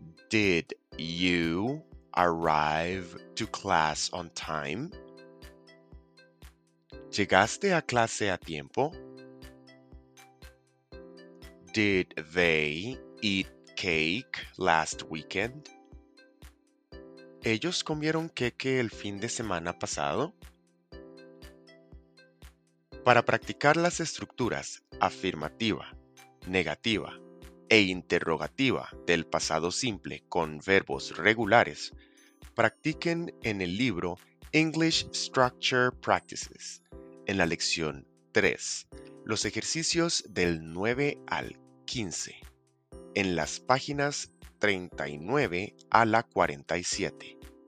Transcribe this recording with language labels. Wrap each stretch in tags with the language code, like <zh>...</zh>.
<en>Did you arrive to class on time?</en> <es>¿Llegaste a clase a tiempo?</es> <en>Did they eat cake last weekend?</en> <es>¿Ellos comieron queque el fin de semana pasado? Para practicar las estructuras afirmativa, negativa e interrogativa del pasado simple con verbos regulares, practiquen en el libro English Structure Practices, en la lección 3, los ejercicios del 9 al 15, en las páginas 39 a la 47.</es>